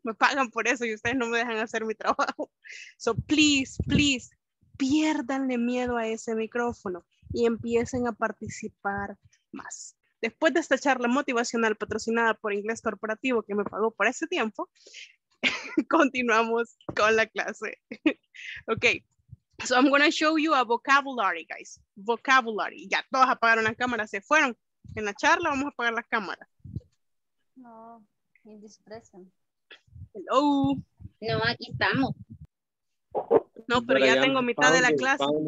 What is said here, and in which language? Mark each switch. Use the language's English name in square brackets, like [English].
[Spanish] Me pagan por eso y ustedes no me dejan hacer mi trabajo. [English] So please, please, [Spanish] piérdanle miedo a ese micrófono y empiecen a participar más. Después de esta charla motivacional patrocinada por Inglés Corporativo que me pagó por ese tiempo, continuamos con la clase. [English] Okay, so I'm going to show you a vocabulary, guys. [Spanish] Vocabulary. Ya todos apagaron las cámaras, se fueron. En la charla vamos a apagar las cámaras. [English] No, in this present. Hello. [Spanish] No, aquí estamos. No, pero ya tengo mitad de la clase.